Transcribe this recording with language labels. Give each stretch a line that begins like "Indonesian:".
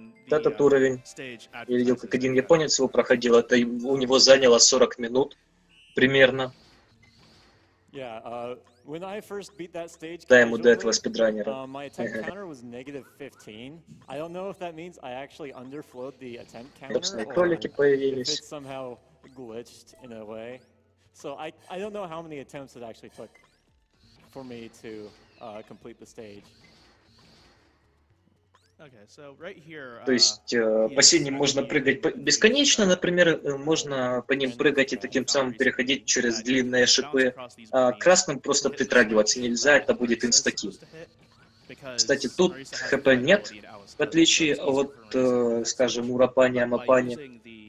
Russian: Этот уровень, я видел, как один японец его проходил, это у него заняло 40 минут примерно. Да, ему до этого спидранера. Собственно, кролики появились.
English: So I don't know how many attempts it actually took for me to complete the stage. Okay, so right here.
Russian: То есть по синим можно прыгать бесконечно, например, можно по ним прыгать и таким самым переходить через длинные шипы. А красным просто притрагиваться нельзя, это будет инстакил. Кстати, тут ХП нет, в отличие от, скажем, Урапани, Амапани.